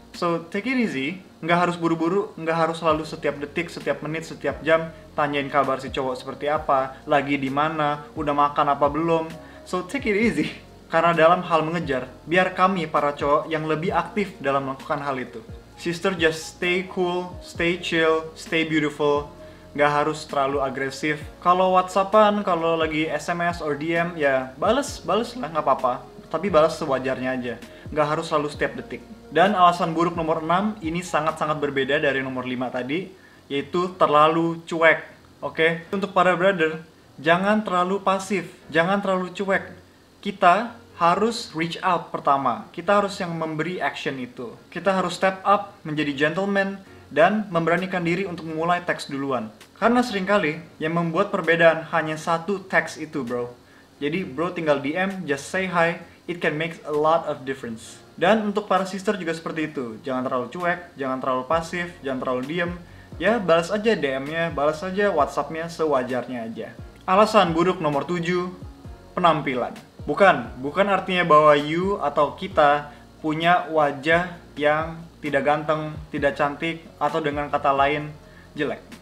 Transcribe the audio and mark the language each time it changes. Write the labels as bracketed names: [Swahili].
[English] So take it easy, [Indonesian] nggak harus buru-buru, nggak harus selalu setiap detik, setiap menit, setiap jam tanyain kabar si cowok seperti apa, lagi di mana, udah makan apa belum. [English] So take it easy, [Indonesian] karena dalam hal mengejar, biar kami para cowok yang lebih aktif dalam melakukan hal itu. [English] Sister just stay cool, stay chill, stay beautiful. [Indonesian] Gak harus terlalu agresif. Kalau WhatsAppan, kalau lagi SMS or DM, ya balas lah, nggak apa-apa. Tapi balas sewajarnya aja. Gak harus selalu setiap detik. Dan alasan buruk nomor 6 ini sangat-sangat berbeda dari nomor 5 tadi, yaitu terlalu cuek. Oke? Okay? Untuk para brother, jangan terlalu pasif, jangan terlalu cuek. Kita harus reach out pertama. Kita harus yang memberi action itu. Kita harus step up menjadi gentleman dan memberanikan diri untuk memulai teks duluan. Karena seringkali yang membuat perbedaan hanya satu teks itu, bro. Jadi bro tinggal DM, [English] just say hi, it can make a lot of difference. [Indonesian] Dan untuk para sister juga seperti itu. Jangan terlalu cuek, jangan terlalu pasif, jangan terlalu diem. Ya, balas aja DM-nya, balas aja WhatsApp-nya sewajarnya aja. Alasan buruk nomor 7, penampilan. Bukan artinya bahwa you atau kita punya wajah yang tidak ganteng, tidak cantik, atau dengan kata lain, jelek.